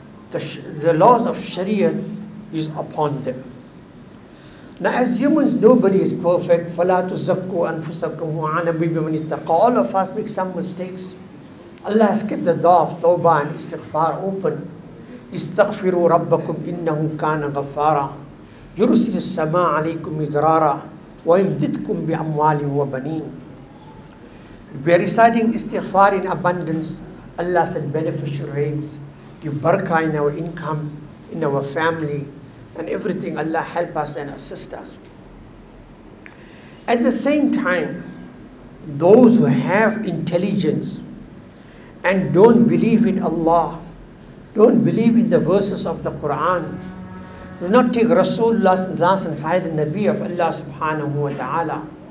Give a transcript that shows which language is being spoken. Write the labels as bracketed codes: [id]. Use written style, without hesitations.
[en] The laws of Sharia is upon them. Now, as humans, nobody is perfect. [ar] فَلَا تُزَكُّوا أَنفُسَكُمْ وَعَلَمُوا بِمَنِ اتَّقَى. [en] All of us make some mistakes. Allah has kept the door of tawbah and istighfar open. [ar] استغفروا ربكم إنه كان غفارا يرسل السماء عليكم مدرارا ويمددكم بأموال وبنين. [en] We are reciting istighfar in abundance. Allah said beneficial rains. Give barakah in our income, in our family, and everything. Allah help us and assist us. At the same time, those who have intelligence and don't believe in Allah, don't believe in the verses of the Quran, do not take Rasulullah and find the Nabi of Allah subhanahu wa ta'ala.